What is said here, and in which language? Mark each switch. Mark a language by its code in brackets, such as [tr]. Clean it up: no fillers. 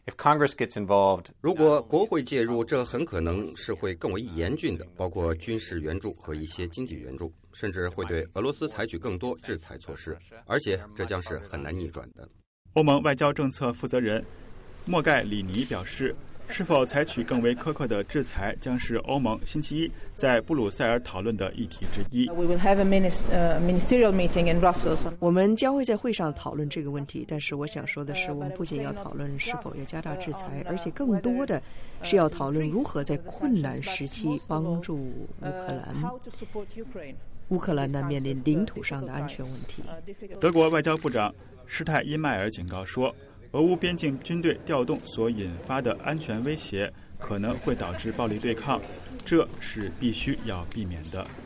[en] If Congress gets involved, [zh] 如果国会介入，这很可能是会更为严峻的，包括军事援助和一些经济援助，甚至会对俄罗斯采取更多制裁措施，而且这将是很难逆转的。欧盟外交政策负责人莫盖里尼表示，是否采取更为苛刻的制裁将是欧盟星期一在布鲁塞尔讨论的议题之一。 [en] We will have a ministerial meeting in Brussels. [zh] 我们将会在会上讨论这个问题，但是我想说的是，我们不仅要讨论是否要加大制裁，而且更多的是要讨论如何在困难时期帮助乌克兰。乌克兰呢面临领土上的安全问题。德国外交部长施泰因迈尔警告说，俄乌边境军队调动所引发的安全威胁可能会导致暴力对抗，这是必须要避免的。